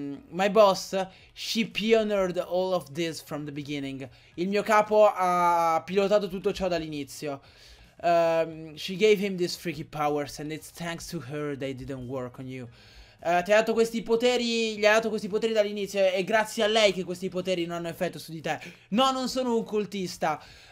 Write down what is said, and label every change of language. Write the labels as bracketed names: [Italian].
[English] my boss, she pioneered all of this from the beginning. [Italian] Il mio capo ha pilotato tutto ciò dall'inizio. [English] She gave him these freaky powers and it's thanks to her they didn't work on you. [Italian] Gli ha dato questi poteri dall'inizio. È grazie a lei che questi poteri non hanno effetto su di te. No, non sono un cultista.